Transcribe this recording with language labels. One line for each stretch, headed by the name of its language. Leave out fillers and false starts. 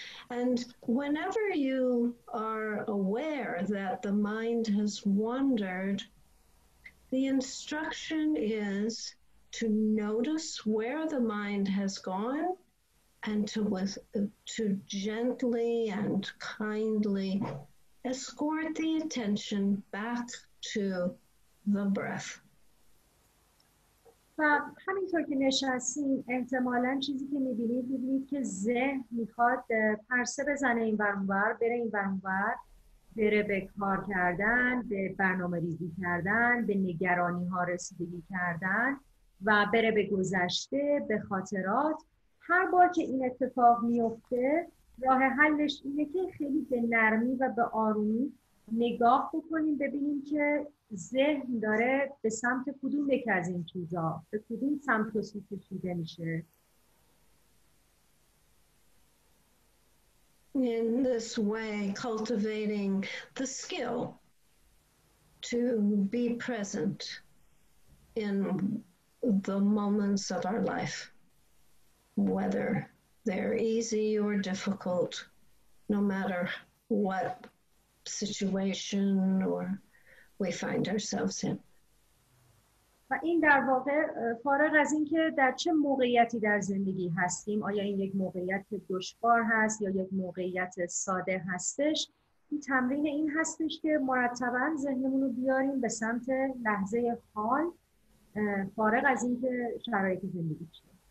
English: And whenever you are aware that the mind has wandered, the instruction is to notice where the mind has gone and to gently and kindly escort the attention back to the breath.
Persian: و همینطور که نشستیم احتمالاً چیزی که می‌بینید می‌بینید که ذهن می‌خواد پرسه بزنه این برانور بره این برانور بره به کار کردن، به برنامه ریزی کردن، به نگرانی ها رسیدگی کردن و بره به گذشته، به خاطرات. هر بار که این اتفاق می‌افته راه حلش اینه که خیلی به نرمی و به آرومی نگاه بکنیم ببینیم که ذهن داره به سمت کدوم یکی از این چیزا، به کدوم سمت رو کشیده میشه.
English: In this way, cultivating the skill to be present in the moments of our life, whether they're easy or difficult, no matter what situation or we find ourselves in.
Persian: و این در واقع فارغ از این که در چه موقعیتی در زندگی هستیم، آیا این یک موقعیت دشوار هست یا یک موقعیت ساده هستش، این تمرین این هستش که مرتبا ذهنمون رو بیاریم به سمت لحظه حال فارغ از این که شرایط زندگی چیه.